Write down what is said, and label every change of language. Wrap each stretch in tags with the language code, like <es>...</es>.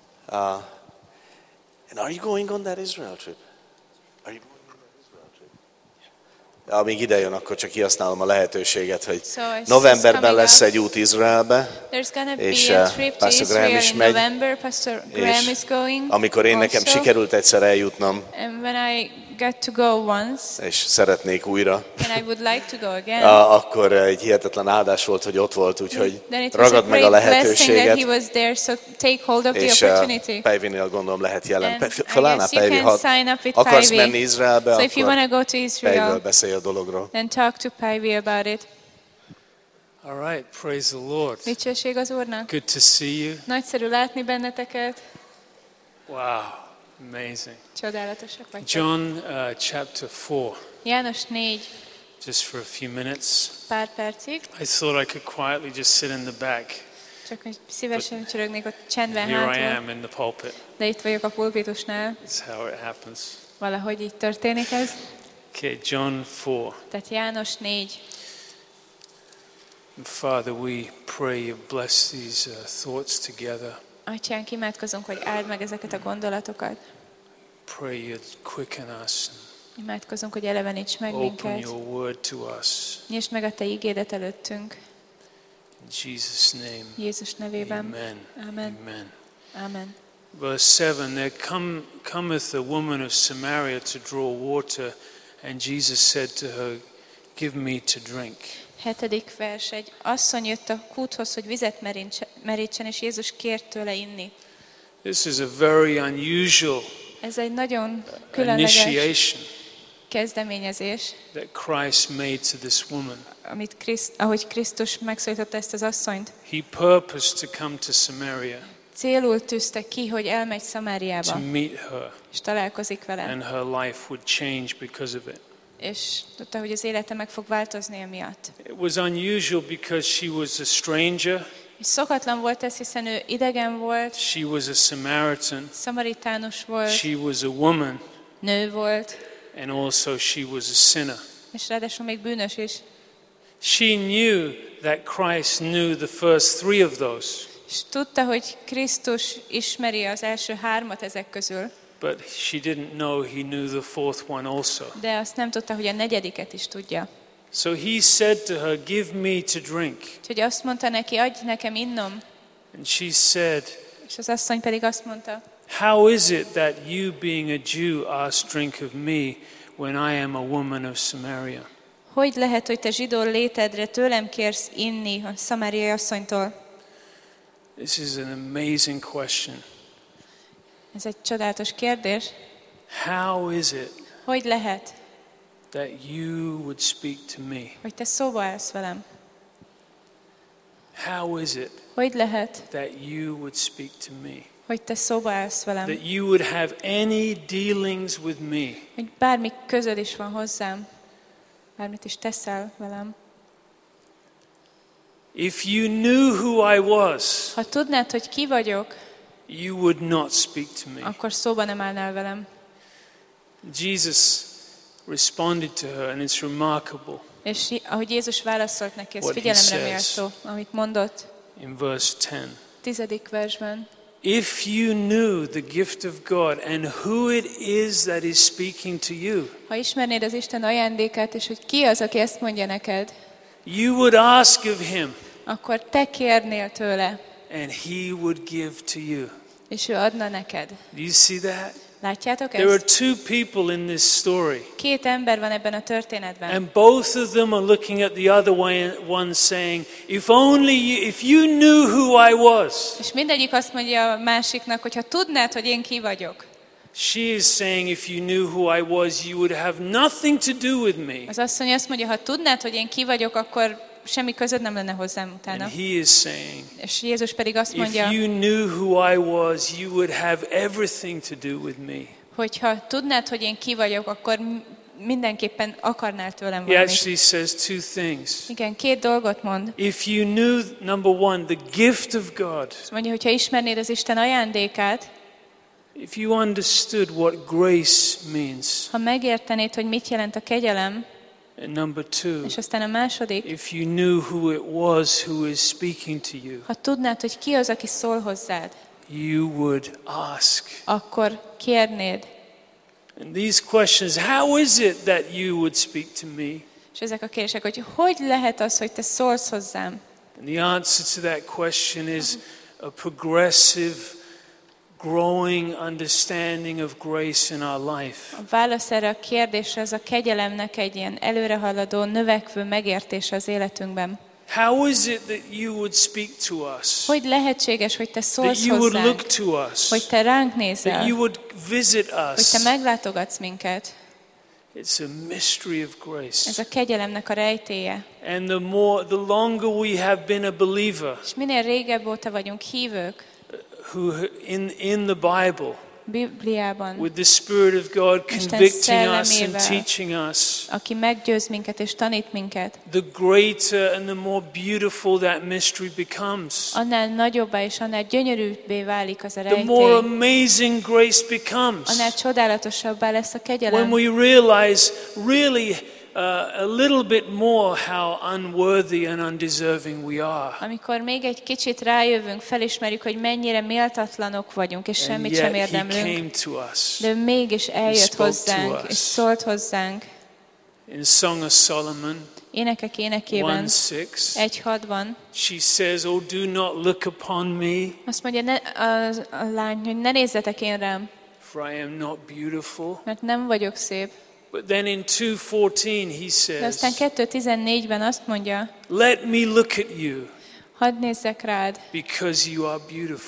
<en>And are you going on that Israel trip? Are you going on that Israel trip? Yeah.</en> <hu>Amíg ide jön, akkor csak kihasználom a lehetőséget, hogy novemberben lesz egy út Izraelbe.</hu> <en>There's going to be a trip to Israel in November. Pastor Graham is going.</en> <hu>Amikor én nekem sikerült egyszer eljutnom.</hu> <en>And when I get to go once.</en> <hu>És szeretnék újra.</hu> <en>And I would like to go again.</en> <hu>Akkor egy hihetetlen áldás volt, hogy ott volt, úgyhogy ragad meg a lehetőséget.</hu> <en>He was there, so take hold of the opportunity.</en> <hu>És Pejvinél gondolom lehet jelen. Fölállná Pejvi, ha akarsz menni Izraelbe,</hu> <en>so if you want to go to Israel,</en> <hu>Pejvről beszélj a dologról.</hu> <en>Then talk to Pejvi about it. All right, praise the Lord.</en> <hu>Dicsőség az Úrnak.</hu> <en>Good to see you.</en> <hu>Nagyszerű látni benneteket.</hu> <en>Wow. Amazing.</en> <hu>Csodálatosak vagyok.</hu> <en>John chapter 4.</en> <hu>János 4.</hu> <en>Just for a few minutes.</en> <hu>Pár percig.</hu> <en>I thought I could quietly just sit in the back.</en> <hu>Csak szívesen csörögnék ott csendben hátul.</hu> <en>Here I am in the pulpit.</en> <hu>De itt vagyok a pulpitusnál.</hu> <en>That's how it happens.</en> <hu>Valahogy így történik ez.</hu> <en>Okay, John 4.</en> <hu>Tehát János 4.</hu> <en>Father, we pray you bless these thoughts together.</en> <hu>Atyánk, imádkozunk, hogy áld meg ezeket a gondolatokat.</hu> <en>Pray you'd quicken us.</en> <hu>Imádkozunk, hogy eleveníts meg minket.</hu> <en>Open your word to us.</en> <hu>Nyisd meg a te ígédet előttünk.</hu> <en>In Jesus name.</en> <hu>Jézus nevében.</hu> <en>Amen.</en> <hu>Amen.</hu> <en>Amen.</en> <hu>Amen.</hu> <en>Verse 7, there cometh a woman of Samaria to draw water, and Jesus said to her, give me to drink.</en> <hu>7. vers, egy asszony jött a kúthoz, hogy vizet merítsen, és Jézus kért tőle inni.</hu> <en>This is a very unusual.</en> <hu>Ez egy nagyon különleges kezdeményezés.</hu> <en>That Christ made to this woman.</en> <hu>Amit ahogy Krisztus megszólította ezt az asszonyt.</hu> <en>He purposed to come to Samaria.</en> <hu>Célul tűzte ki, hogy elmegy Szamáriába.</hu> <en>To meet her.</en> <hu>És találkozik vele.</hu> <en>And her life would change because of it.</en> <hu>És tudta, hogy az élete meg fog változni emiatt.</hu> <en>It was unusual because she was a stranger.</en> <hu>Szokatlan volt ez, hiszen ő idegen volt.</hu> <en>She was a Samaritan.</en> <hu>Szamaritánus volt.</hu> <en>She was a woman.</en> <hu>Nő volt.</hu> <en>And also she was a sinner.</en> <hu>És ráadásul még bűnös is.</hu> <en>She knew that Christ knew the first three of those.</en> <hu>És tudta, hogy Krisztus ismeri az első hármat ezek közül.</hu> <en>But she didn't know he knew the fourth one also.</en> <hu>De azt nem tudta, hogy a negyediket is tudja.</hu> <en>So he said to her, give me to drink.</en> <hu>Úgyhogy azt mondta neki, adj nekem innom.</hu> <en>And she said,</en> <hu>és az asszony pedig azt mondta,</hu> <en>how is it that you being a Jew ask drink of me when I am a woman of Samaria?</en> <hu>Hogy lehet, hogy te zsidó létedre tőlem kérsz inni a szamáriai asszonytól?</hu> <en>This is an amazing question.</en> <hu>Ez egy csodálatos kérdés.</hu> <en>How is it?</en> <hu>Hogy lehet?</hu> <en>That you would speak to me.</en> <hu>Hogy te szóba állsz velem.</hu> <en>How is it?</en> <hu>Hogy lehet?</hu> <en>That you would speak to me.</en> <hu>Hogy te szóba állsz velem.</hu> <en>That you would have any dealings with me.</en> <hu>Hogy bármi közöd is van hozzám. Bármit is teszel velem.</hu> <en>If you knew who I was.</en> <hu>Ha tudnád, hogy ki vagyok.</hu> <en>You would not speak to me.</en> <hu>Akkor szóba nem állnál velem.</hu> <en>Jesus responded to her, and it's remarkable.</en> <hu>És ahogy Jézus válaszolt neki, ez figyelemre méltó, amit mondott.</hu> <en>In verse 10.</en> <hu>10. versben.</hu> <en>If you knew the gift of God and who it is that is speaking to you.</en> <hu>Ha ismernéd az Isten ajándékát, és hogy ki az, aki ezt mondja neked.</hu> <en>You would ask of him.</en> <hu>Akkor te kérnél tőle.</hu> <en>And he would give to you.</en> <hu>És ő adna neked.</hu> <en>Do you see that?</en> <hu>Látjátok ezt?</hu> <en>There are two people in this story.</en> <hu>Két ember van ebben a történetben.</hu> <en>And both of them are looking at the other one saying, if only you, if you knew who I was.</en> <hu>És mindegyik azt mondja a másiknak, hogyha tudnád, hogy én ki vagyok.</hu> <en>She is saying, if you knew who I was, you would have nothing to do with me.</en> <hu>Az asszony azt mondja, ha tudnád, hogy én ki vagyok, akkor semmi közöd nem lenne hozzám utána.</hu> <en>He is saying,</en> <hu>és Jézus pedig azt mondja,</hu> <en>if you knew who I was, you would have everything to do with me.</en> <hu>Hogyha tudnád, hogy én ki vagyok, akkor mindenképpen akarnál tőlem valamit.</hu> <en>He actually says two things.</en> <hu>Igen, két dolgot mond.</hu> <en>If you knew, number one, the gift of God.</en> <hu>Mondja, hogyha ismernéd az Isten ajándékát.</hu> <en>If you understood what grace means.</en> <hu>Ha megértenéd, hogy mit jelent a kegyelem.</hu> <en>Number two.</en> <hu>És aztán a második.</hu> <en>If you knew who it was who is speaking to you.</en> <hu>Ha tudnád, hogy ki az, aki szól hozzád.</hu> <en>You would ask.</en> <hu>Akkor kérnéd.</hu> <en>And these questions, how is it that you would speak to me?</en> <hu>És ezek a kérdések, hogy hogy lehet az, hogy te szólsz hozzám?</hu> <en>And the answer to that question is a progressive growing understanding of grace in our life.</en> <hu>A válasz erre a kérdésre az a kegyelemnek egy ilyen előrehaladó, növekvő megértése az életünkben.</hu> <en>How is it that you would speak to us?</en> <hu>Hogy lehetséges, hogy te szólsz hozzánk?</hu> <en>That you would look to us.</en> <hu>Hogy te ránk nézel.</hu> <en>That you would visit us.</en> <hu>Hogy te meglátogatsz minket.</hu> <en>It's a mystery of grace.</en> <hu>Ez a kegyelemnek a rejtélye.</hu> <en>And the longer we have been a believer.</en> <hu>És minél régebb óta vagyunk hívők.</hu> <en>In the Bible.</en> <hu>Bibliában.</hu> <en>With the Spirit of God convicting us and teaching us.</en> <hu>Aki meggyőz minket és tanít minket.</hu> <en>The greater and the more beautiful that mystery becomes.</en> <hu>Annál nagyobbá és annál gyönyörűbbé válik az a rejtély.</hu> <en>The more amazing grace becomes.</en> <hu>Annál csodálatosabbá lesz a kegyelem.</hu> <en>When we realize really a little bit more how unworthy and undeserving we are.</en> <hu>Amikor még egy kicsit rájövünk, felismerjük, hogy mennyire méltatlanok vagyunk, és semmit sem érdemlünk.</hu> <en>He came to us.</en> <hu>De mégis eljött hozzánk, és szólt hozzánk.</hu> <en>In Song of Solomon,</en> <hu>Énekek énekében, 1:6-ban,</hu> <en>she says, oh, do not look upon me.</en> <hu>Azt mondja a lány, hogy ne nézzetek én rám.</hu> <en>For I am not beautiful.</en> <hu>Mert nem vagyok szép.</hu> <en>But then in 2:14 he says.</en> <hu>De aztán 2:14-ben azt mondja.</hu> <en>Let me look at you.</en> <hu>Hadd nézzek rád.</hu> <en>Because you are beautiful.</en>